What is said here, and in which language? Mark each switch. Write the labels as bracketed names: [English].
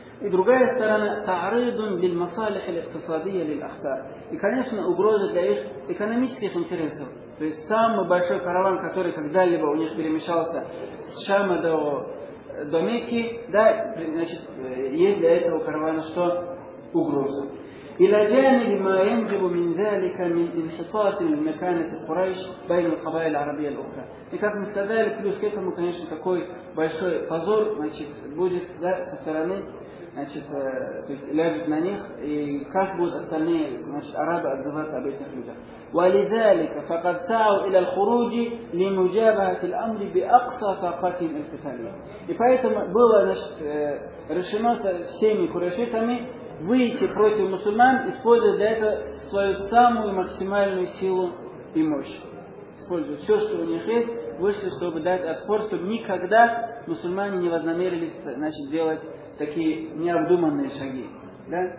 [Russian] И другая сторона – [Arabic] та'ридун лиль масалих аль иктисадия лиль ахтар. [Russian] И, конечно, угроза для их экономических интересов. То есть самый большой караван, который когда-либо у них перемещался с Шама до Мекки, да, значит, есть для этого каравана что? Угроза. [Arabic] إلى جانب ما ينجب من ذلك من انحطاط المكانة القريش بين القبائل العربية الأخرى. لكن من ذلك [Russian] плюс к этому, конечно, такой большой позор, значит, будет, да, со стороны, значит, то есть ляжет на них, и как будут остальные, значит, арабы отзываться об этих людях. [Arabic] ولذلك فقد سعوا إلى الخروج لمجابهة الأمر بأقصى طاقتهم القتالية. [Russian] И поэтому было, значит, решено всеми курешитами выйти против мусульман, используя для этого свою самую максимальную силу и мощь. Используя все, что у них есть, вышли, чтобы дать отпор, чтобы никогда мусульмане не вознамерились, значит, делать такие необдуманные шаги. Да?